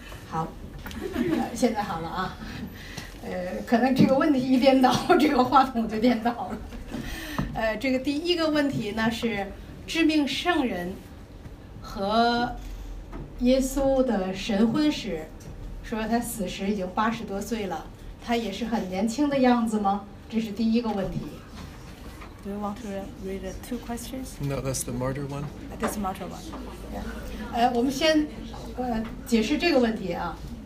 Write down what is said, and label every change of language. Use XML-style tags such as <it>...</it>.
<zh>好, 现在好了啊, 可能这个问题一颠倒, 这个话筒就颠倒了。这个第一个问题呢, 是致命圣人和耶稣的神婚时, 说他死时已经80多岁了, 他也是很年轻的样子吗? 这是第一个问题。</zh> <en>Do you want to read the two questions? No, that's the martyr one. That's the martyr one. Yeah.</en> <zh>我们先解释这个问题啊。</zh>